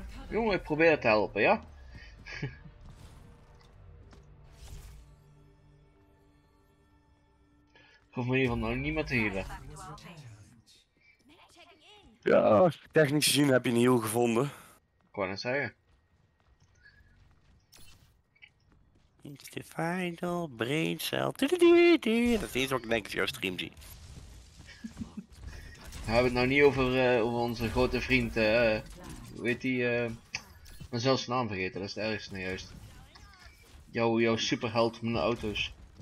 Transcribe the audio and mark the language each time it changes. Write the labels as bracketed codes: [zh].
[nl] Jongen, ik probeer het te helpen, ja? Ik hoef me hiervan nog niet meer te healen. Ja, technisch gezien heb je een heal gevonden. Ik wou het zeggen. [en] It's the final brain cell. Du-du-du-du-du. [nl] Dat is wat ik denk dat jouw stream zie. We hebben het nou niet over, over onze grote vriend. Hoe heet die? Ik ben zelfs zijn naam vergeten, dat is het ergste nou juist. Jouw superheld met de auto's.